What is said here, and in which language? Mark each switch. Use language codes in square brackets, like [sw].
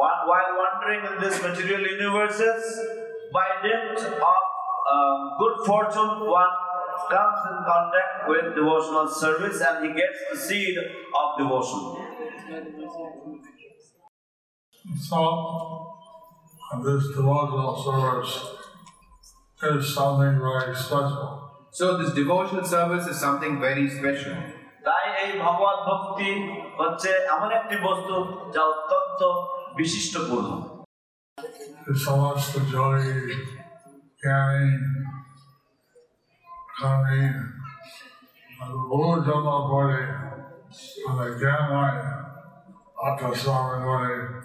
[en] While wandering in this material universes, by dint of good fortune, one comes in contact with devotional service and he gets the seed of devotion. So, this devotional service is something very special. So, this devotional service is something very special. [bn] তাই এই ভগবান ভক্তি হচ্ছে এমন একটি বস্তু যা অত্যন্ত বিশিষ্টপূর্ণ। It's so much the joy, caring, and the Lord of our body, and the Gyanai, Atta Swamini,